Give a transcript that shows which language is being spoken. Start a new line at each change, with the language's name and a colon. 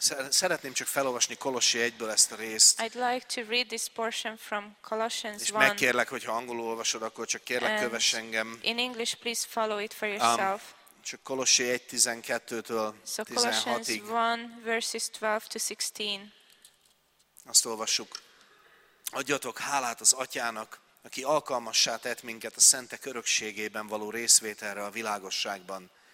Hungarian: Szeretném csak felolvasni Kolossi 1-ből ezt a részt.
English: I'd like to read this portion from Colossians 1.
Hungarian: És megkérlek, hogy ha angolul olvasod, akkor csak kérlek, kövess engem.
English: In English, please follow it for yourself.
Hungarian: Csak Kolossi 1:12-től 16-ig.
English: So Colossians 1 verses 12 to 16.
Hungarian: Azt olvassuk. Adjatok hálát az Atyának, aki alkalmassá tett minket a szentek örökségében való részvételre a világosságban.